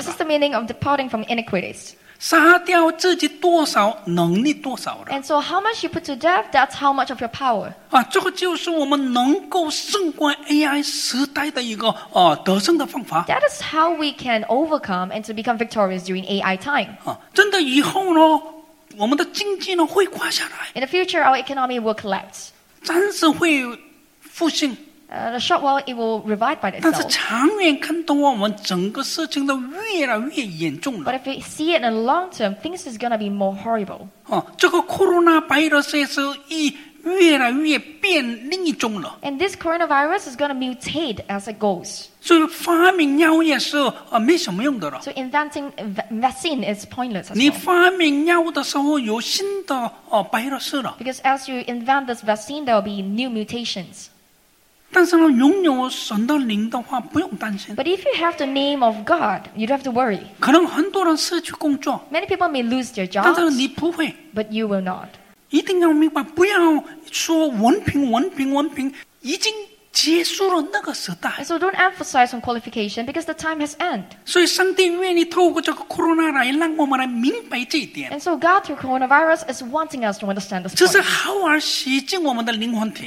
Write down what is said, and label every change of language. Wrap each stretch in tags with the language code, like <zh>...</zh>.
<en>This is the meaning of departing from iniquities.</en> <zh>杀掉自己多少能力多少的。</zh> <en>And so how much you put to death, that's how much of your power.</en> <zh>这个就是我们能够胜过AI时代的一个得胜的方法。</zh> <en>That is how we can overcome and to become victorious during AI time.</en> <zh>真的以后呢, 我们的经济呢会垮下来。</zh> <en>In the future, our economy will collapse.</en> <zh>暂时会复兴。</zh> <en>The short while, it will revive by itself.</en> <zh>但是长远看到我们整个事情都越来越严重了。</zh> <en>But if we see it in the long term, things is going to be more horrible.</en> <zh>这个 coronavirus是一 越来越变另一种了。</zh> <en>And this coronavirus is going to mutate as it goes.</en> <zh>所以发明药也是没什么用的了。</zh> <en>So inventing vaccine is pointless as well.</en> <zh>你发明药的时候有新的virus了。</zh> <en>Because as you invent this vaccine, there will be new mutations.</en> <zh>但是拥有神的灵的话不用担心.</zh> <en>But if you have the name of God, you don't have to worry.</en> <zh>可能很多人失去工作.</zh> <en>Many people may lose their jobs.</en> <zh>但是你不会.</zh> <en>But you will not.</en> <zh>一定要明白，不要说文凭，文凭，文凭， 已经结束了那个时代.</zh> <en>So don't emphasize on qualification because the time has end.</en> <zh>所以上帝愿意透过这个corona来让我们来明白这一点.</zh> <en>And so God through coronavirus is wanting us to understand this.</en> <zh>这是好而洗净我们的灵魂体.</zh>